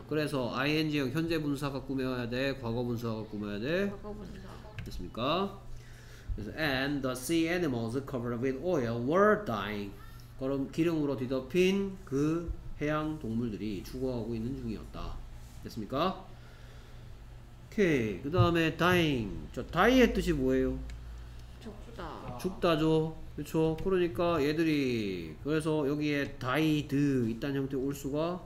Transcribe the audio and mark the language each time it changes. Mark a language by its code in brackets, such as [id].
[ko] 그래서 ing형 현재 분사가 꾸며야 돼 과거 분사가 꾸며야 돼 과거 분사 됐습니까? [en] 그래서 and the sea animals covered with oil were dying. [ko] 그럼 기름으로 뒤덮인 그 해양 동물들이 죽어가고 있는 중이었다 됐습니까? 오케이. 그 다음에 dying. 저 die의 뜻이 뭐예요? 죽다죠. 그렇죠. 그러니까 얘들이 그래서 여기에 died 이딴 형태 올 수가